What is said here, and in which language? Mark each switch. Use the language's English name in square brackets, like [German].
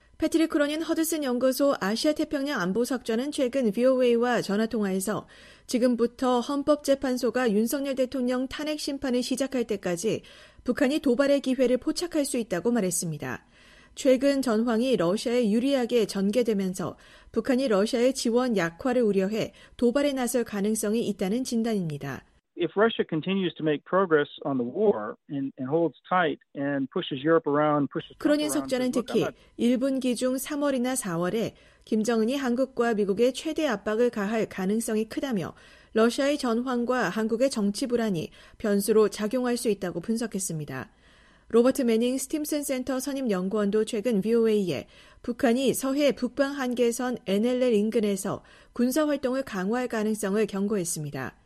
[Korean] 패트릭 크로닌 허드슨 연구소 아시아태평양 안보석좌는 최근 VOA와 전화통화에서 지금부터 헌법재판소가 윤석열 대통령 탄핵 심판을 시작할 때까지 북한이 도발의 기회를 포착할 수 있다고 말했습니다. 최근 전황이 러시아에 유리하게 전개되면서 북한이 러시아의 지원 약화를 우려해 도발에 나설 가능성이 있다는 진단입니다. [English] If Russia continues to make progress on the war and holds tight and pushes Europe around, pushes Trump around. [Korean] 크로닌 석좌는 특히 1분기 중 3월이나 4월에 김정은이 한국과 미국의 최대 압박을 가할 가능성이 크다며 러시아의 전황과 한국의 정치 불안이 변수로 작용할 수 있다고 분석했습니다. 로버트 매닝 스팀슨 센터 선임 연구원도 최근 VOA에 북한이 서해 북방 한계선 NLL 인근에서 군사 활동을 강화할 가능성을 경고했습니다.